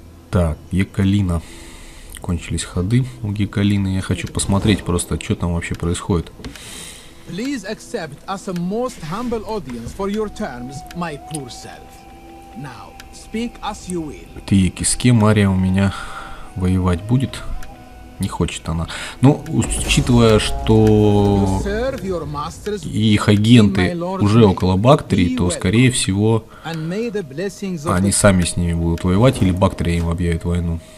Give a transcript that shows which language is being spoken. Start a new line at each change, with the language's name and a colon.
Russian: Так, Гекалина. Кончились ходы у Гекалины. Я хочу посмотреть просто, что там вообще происходит.
English: Please accept as a most humble audience for your terms, my poor self. Now, speak as you will.
Russian: Так, с кем Мария у меня воевать будет? Не хочет она. Но учитывая, что их агенты уже около Бактрии, то скорее всего они сами с ними будут воевать, или Бактрия им объявит войну.